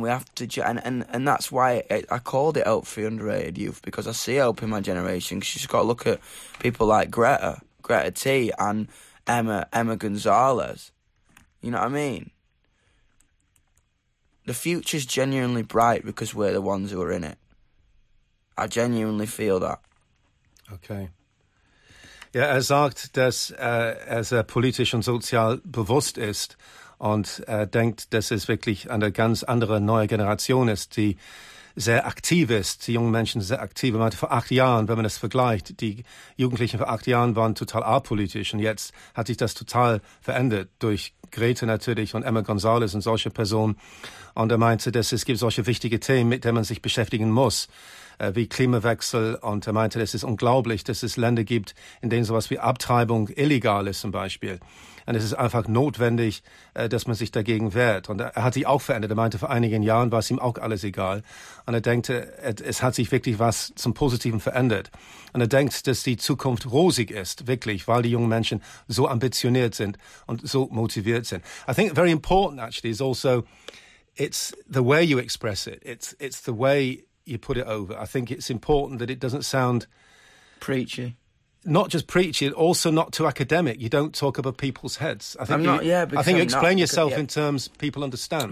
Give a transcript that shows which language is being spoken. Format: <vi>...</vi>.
<en>We have to, and that's why I called it Help for the Underrated Youth, because I see help in my generation. Because you just got to look at people like Greta T, and Emma Gonzalez. You know what I mean? The future's genuinely bright because we're the ones who are in it. I genuinely feel that. Okay.</en> <de>Ja, er sagt, dass er politisch und sozial bewusst ist. Und er denkt, dass es wirklich eine ganz andere neue Generation ist, die sehr aktiv ist, die jungen Menschen sehr aktiv. Er meinte, vor 8 Jahren, wenn man das vergleicht, die Jugendlichen vor 8 Jahren waren total apolitisch und jetzt hat sich das total verändert durch Greta natürlich und Emma Gonzalez und solche Personen. Und er meinte, dass es gibt solche wichtige Themen, mit denen man sich beschäftigen muss, wie Klimawechsel. Und er meinte, es ist unglaublich, dass es Länder gibt, in denen sowas wie Abtreibung illegal ist zum Beispiel. Und es ist einfach notwendig, dass man sich dagegen wehrt. Und er hat sich auch verändert. Er meinte, vor einigen Jahren war es ihm auch alles egal. Und er denkt, es hat sich wirklich was zum Positiven verändert. Und er denkt, dass die Zukunft rosig ist, wirklich, weil die jungen Menschen so ambitioniert sind und so motiviert sind.</de> <en>I think very important, actually, is also, it's the way you express it. It's the way you put it over. I think it's important that it doesn't sound preachy. Not just preachy, also not too academic. You don't talk above people's heads. I think I think you explain yourself in terms people understand.</en>